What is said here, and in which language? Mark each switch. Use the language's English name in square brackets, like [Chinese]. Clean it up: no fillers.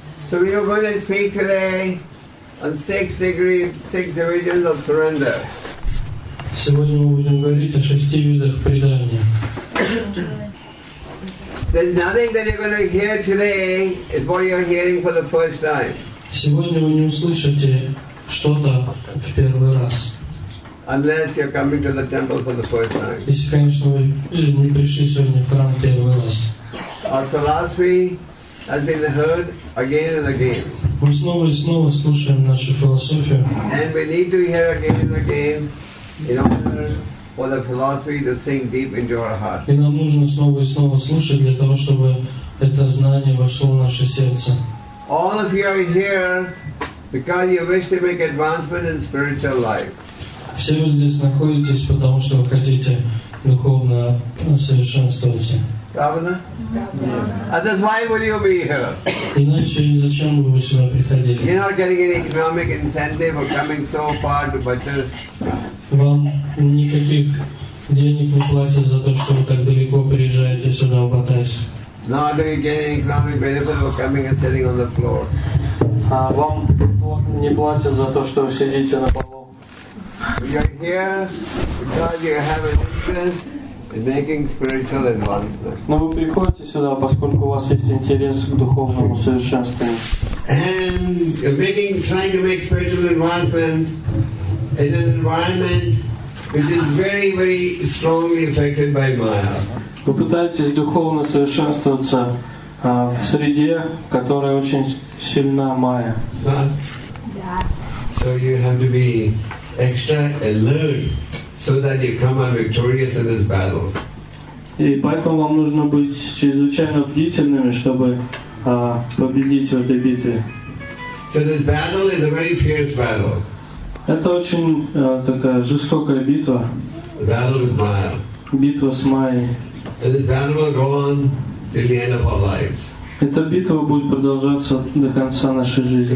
[English] So we are going to speak today on six degrees of surrender. [Russian] Сегодня мы будем говорить о шести видах предания. [English] There's nothing that you're going to hear today is what you're hearing for the first time. [Russian] Сегодня вы не услышите что-то в первый раз. [English] Unless you're coming to the temple for the first time. [Russian] Если, конечно, вы не пришли сегодня в храм первый раз. [English] Our philosophy has been heard again and again. [Russian] Мы снова и снова слушаем нашу философию. [English] And we need to hear again and again in order for the philosophy to sink deep into our heart. [Russian] И нам нужно снова и снова слушать для того, чтобы это знание вошло в наше сердце. [English] All of you are here because you wish to make advancement in spiritual life. [Russian] Все вы здесь находитесь, потому что вы хотите духовно совершенствоваться. Правда? Да. [English] Why will you be here? [Russian] Иначе зачем вы сюда приходили? [English] You're not getting any economic incentive for coming so far to Bajaj. [Russian] Вам никаких денег не платят за то, что вы так далеко приезжаете сюда в Батайск. [English] Not getting any economic benefit for coming and sitting on the floor. [Russian] А вам не платят за то, что вы сидите на полу? [English] You're here because you have an interest in making spiritual advancement. [Russian] Но вы приходите сюда, поскольку у вас есть интерес к духовному совершенствованию. [English] And you're trying to make spiritual advancement in an environment which is very, very strongly affected by Maya. [Russian] Вы пытаетесь духовно совершенствоваться в среде, которая очень сильна Майя. [English] So you have to be extra alert so that you come out victorious in this battle. [Russian] И поэтому вам нужно быть чрезвычайно бдительными, чтобы победить в этой битве. [English] So this battle is a very fierce battle. [Russian] Это очень такая жестокая битва. [English] The battle with Maya. [Russian] Битва с Майей. [English] And this battle will go on till the end of our lives. [Russian] Эта битва будет продолжаться до конца нашей жизни.